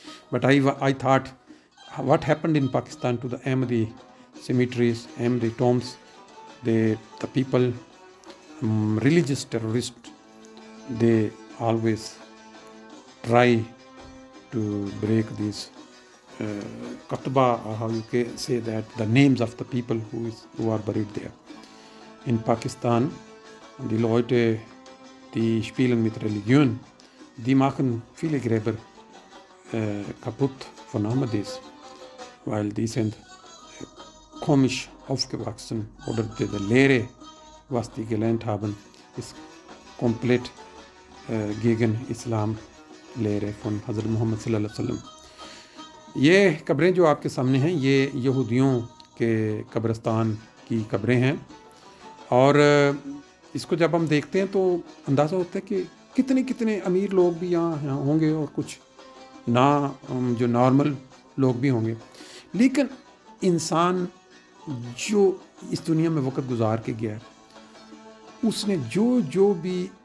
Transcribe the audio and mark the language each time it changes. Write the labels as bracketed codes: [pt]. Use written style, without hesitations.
[en] But I thought, what happened in Pakistan to the Ahmadi cemeteries, Ahmadi tombs, the people, religious terrorists, they always try to break these قطبہ, how you say that, the names of the people who are buried there. [de] In Pakistan, die Leute, die spielen mit Religion, die machen viele Gräber kaputt von Amadeus, weil die sind komisch aufgewachsen oder die Lehre, was die gelernt haben, ist komplett gegen Islam Lehre von Hazrat Muhammad sallallahu alaihi wasallam. [ur] یہ قبریں جو آپ کے سامنے ہیں یہ یہودیوں کے قبرستان کی قبریں ہیں اور اس کو جب ہم دیکھتے ہیں تو اندازہ ہوتا ہے کہ کتنے کتنے امیر لوگ بھی یہاں ہوں گے اور کچھ نہ جو نارمل لوگ بھی ہوں گے لیکن انسان جو اس دنیا میں وقت گزار کے گیا ہے اس نے جو جو بھی